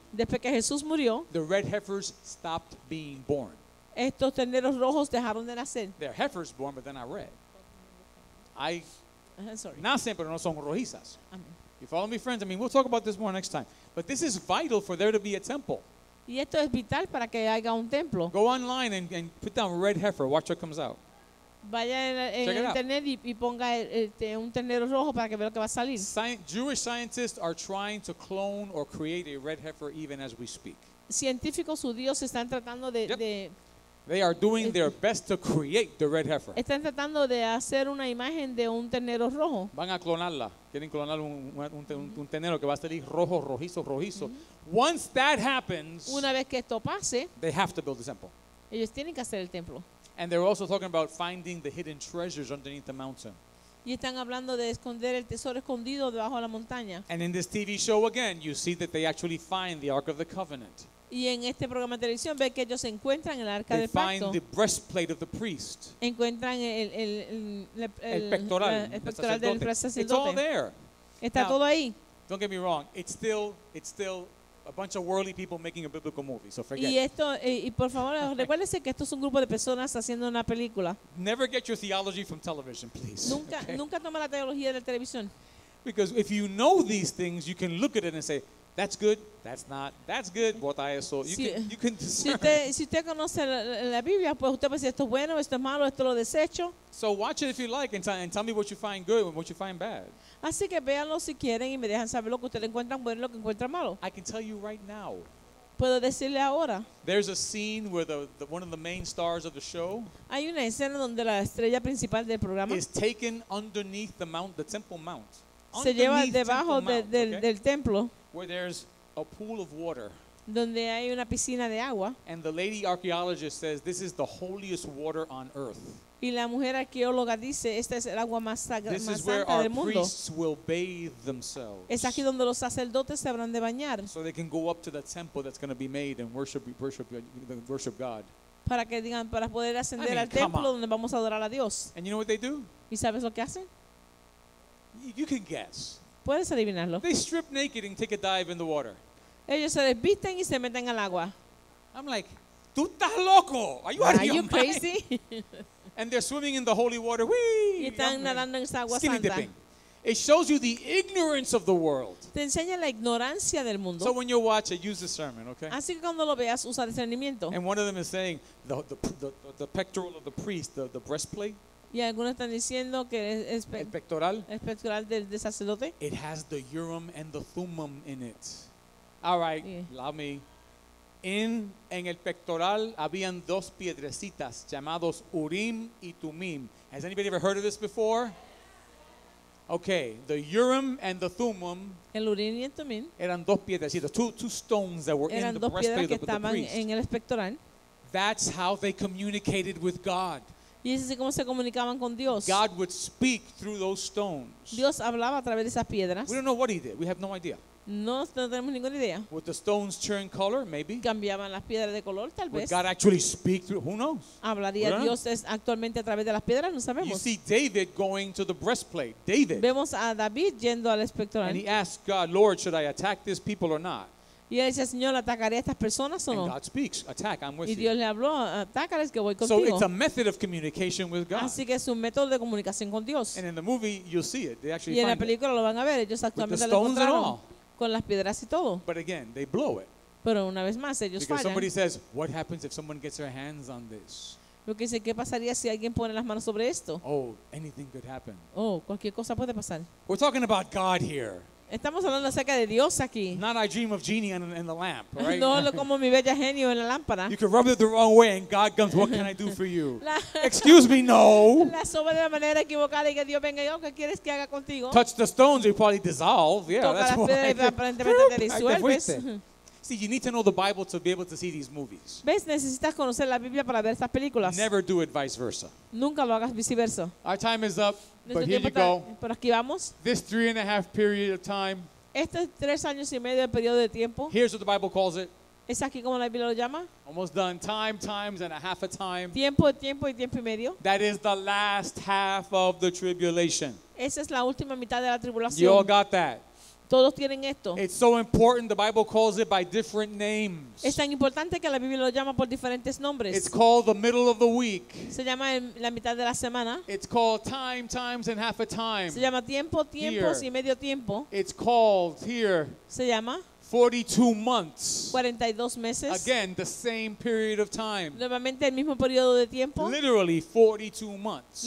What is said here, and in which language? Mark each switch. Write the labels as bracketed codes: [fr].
[es] después que Jesús murió, [en] the red heifers stopped being born. [es] Estos terneros rojos dejaron de nacer. [en] They're heifers born, but they're not red. Sorry. [es] Nacen, pero no son rojizas. [en] You follow me, friends? I mean, we'll talk about this more next time. But this is vital for there to be a temple. [es] Y esto es vital para que haya un templo. [en] Go online and put down red heifer. Watch what comes out. [es] Vaya en internet y ponga un ternero rojo para que vea lo que va a salir. [en] Jewish scientists are trying to clone or create a red heifer even as we speak. [es] Científicos judíos están tratando de... [en] Yep. [es] de [en] They are doing their best to create the red heifer. [es] Están tratando de hacer una imagen de un ternero rojo. Van a clonarla. Quieren clonar un ternero que va a salir rojo, rojizo. [en] Mm-hmm. Once that happens, [es] una vez que esto pase, [en] they have to build a temple. [es] Ellos tienen que hacer el templo. [en] And they're also talking about finding the hidden treasures underneath the mountain. [es] Y están hablando de esconder el tesoro escondido debajo de la montaña. [en] And in this TV show again, you see that they actually find the Ark of the Covenant. [es] Y en este programa de televisión ve que ellos encuentran el arca [en] they [es] del pacto. [en] They find the breastplate of the priest. [es] Encuentran el pectoral del sacerdote. [en] It's all there. [es] Está todo ahí. [en] Don't get me wrong. It's still a bunch of worldly people making a biblical movie. So forget. [es] Y esto y por favor recuérdese que esto es un grupo de personas haciendo una película. [en] Never get your theology from television, please. [es] Nunca toma la teología de la televisión. [en] Because if you know these things, you can look at it and say. That's good. That's not. That's good. What I saw. You can discern. [es] Si usted conoce la Biblia, pues usted puede decir esto es bueno, esto es malo, esto lo desecho. [en] So watch it if you like, and tell me what you find good and what you find bad. [es] Así que véanlo si quieren y me dejan saber lo que ustedes encuentran bueno y lo que encuentran malo. [en] I can tell you right now. [es] Puedo decirle ahora. [en] There's a scene where the one of the main stars of the show. [es] Hay una escena donde la estrella principal del programa [en] is taken underneath the mount, the temple mount. [es] Se lleva debajo del templo. [en] Where there's a pool of water. [es] Donde hay una piscina de agua. [en] And the lady archaeologist says this is the holiest water on earth. [es] Y la mujer arqueóloga dice esta es el agua más sagrada del mundo. [en] This is where our priests will bathe themselves. [es] Es aquí donde los sacerdotes se habrán de bañar. [en] So they can go up to the temple that's going to be made and worship God. [es] Para que digan para poder ascender al templo donde vamos a adorar a Dios. [en] And you know what they do? [es] ¿Y sabes lo que hacen? [en] You can guess. [es] Puedes adivinarlo. [en] They strip naked and take a dive in the water. [es] Ellos se desvisten y se meten al agua. [en] I'm like, [es] ¿tú estás loco? [en] Are you, are you crazy? And they're swimming in the holy water. Whee! [es] Y están nadando en esa agua [en] skinny [es] santa. [en] Dipping. It shows you the ignorance of the world. [es] Te enseña la ignorancia del mundo. [en] So when you watch it, use discernment, okay? [es] Así que cuando lo veas, usa discernimiento. [en] And one of them is saying the pectoral of the priest, the breastplate. [es] Y algunos están diciendo que es el pectoral de sacerdote. [en] It has the Urim and the Thummim in it. All right, allow me. [es] En el pectoral habían dos piedrecitas llamados Urim y Thummim. [en] Has anybody ever heard of this before? Okay, the Urim and the Thummim. [es] El Urim y el Thummim. Eran dos piedrecitas, [en] two stones that were [es] eran [en] in the breastplate of the priest. [es] Eran dos piedras que estaban en el pectoral. [en] That's how they communicated with God. [es] Y ese es cómo se comunicaban con Dios. [en] God would speak through those stones. [es] Dios hablaba a través de esas piedras. [en] We don't know what he did. We have no idea. [es] No tenemos ninguna idea. [en] Would the stones turn color, maybe? [es] Cambiaban las piedras de color, tal vez. [en] Would God actually speak through? Who knows? [es] Hablaría Dios actualmente a través de las piedras, no sabemos. [en] You see David going to the breastplate. David. [es] Vemos a David yendo al espectro. [en] And he asked God, Lord, should I attack these people or not? [es] Y él dice, Señor, ¿atacaré a estas personas o no? [en] And God speaks, attack, I'm with [es] y Dios [en] you. [es] Le habló, atácales que voy contigo. [en] So it's a method of communication with God. [es] Así que es un método de comunicación con Dios. [en] And in the movie, you'll see it. They actually [es] y en la película [en] it. [es] Lo van a ver, ellos actualmente lo encontraron con las piedras y todo. [en] But again, they blow it. [es] Pero una vez más, ellos [en] Because [es] fallan. [en] Somebody says, what happens if someone gets their hands on this? [es] Porque dice, ¿qué pasaría si alguien pone las manos sobre esto? [en] Oh, anything could happen. [es] Oh, cualquier cosa puede pasar. [en] We're talking about God here. [es] Estamos hablando acerca de Dios aquí. [en] Not I dream of genie in the lamp, right? [es] No lo como mi bella genio en la lámpara. [en] You can rub it the wrong way and God comes, what can I do for you? Excuse me, no. [es] La sobe de la manera equivocada y que Dios venga y ¿qué quieres que haga contigo? [en] Touch the stones, they probably dissolve. Yeah, [es] toca [en] that's why. [es] Aparentemente te disuelves. [en] See, you need to know the Bible to be able to see these movies. [es] ¿Ves? Necesitas conocer la Biblia para ver estas películas. [en] Never do it vice versa. [es] Nunca lo hagas viceversa. [en] Our time is up, but here you go. [es] Pero aquí vamos. [en] This 3.5 period of time. [es] Este 3.5 años de periodo de tiempo. [en] Here's what the Bible calls it. [es] ¿Es aquí como la Biblia lo llama? [en] Almost done. Time, times, and a half a time. [es] Tiempo, tiempo y tiempo y medio. [en] That is the last half of the tribulation. [es] Esa es la última mitad de la tribulación. [en] You all got that. [es] Todos tienen esto. [en] It's so important. The Bible calls it by different names. [es] Es tan importante que la Biblia lo llama por diferentes nombres. [en] It's called the middle of the week. [es] Se llama la mitad de la semana. [en] It's called time, times, and half a time. [es] Se llama tiempo, tiempos y medio tiempo. [en] It's called here. [es] Se llama [en] 42 months. [es] 42 meses. [en] Again, the same period of time. [es] Nuevamente el mismo periodo de tiempo. [en] Literally 42 months.